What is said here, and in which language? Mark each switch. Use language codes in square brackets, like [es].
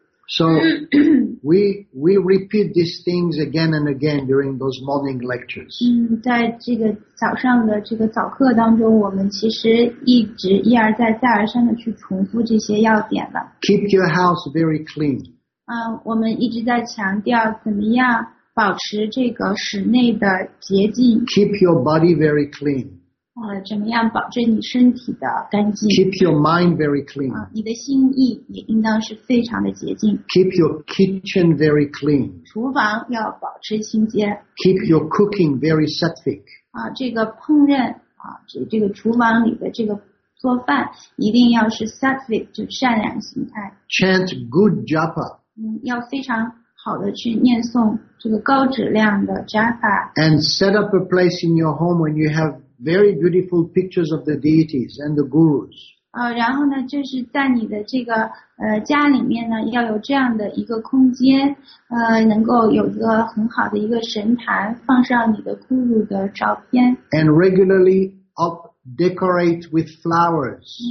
[en] So we repeat these things again and again during those morning lectures. [zh] 在这个早上的这个早课当中，我们其实一直一而再、再而三的去重复这些要点的。 [en] Keep your house very clean. [zh] 我们一直在强调怎么样保持这个室内的洁净。 [en] Keep your body very clean. [zh] 怎么样保证你身体的干净 [en] ？Keep your mind very clean. [zh] 你的心意也应当是非常的洁净。 [en] Keep your kitchen very clean. [zh] 厨房要保持清洁。 [en] Keep your cooking very sattvic. [zh] 这个烹饪这个厨房里的这个做饭一定要是 sattvic， 就善良心态。 [en] Chant good japa. [zh] 要非常好的去念诵这个高质量的 japa。 [en] And set up a place in your home when you have. Very beautiful pictures of the deities and the gurus. [zh] 然后呢，就是在你的这个家里面呢，要有这样的一个空间，能够有一个很好的一个神坛，放上你的 guru 的照片。 [en] And regularly decorate with flowers.